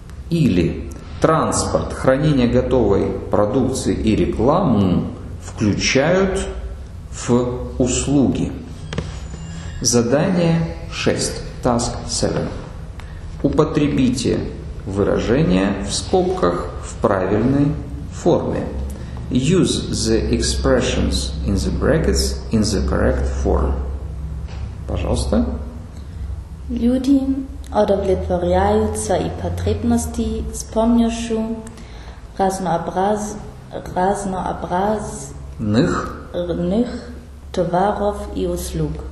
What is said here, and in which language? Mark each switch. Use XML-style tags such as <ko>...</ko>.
<ru>Или транспорт, хранение готовой продукции и рекламу включают в услуги. Задание 6.</ru> <en>Task 7.</en> <ru>Употребите выражение в скобках в правильной форме.</ru> <en>Use the expressions in the brackets in the correct form.</en> <ru>Пожалуйста. Люди удовлетворяют свои потребности с помощью разнообразных товаров и услуг.</ru>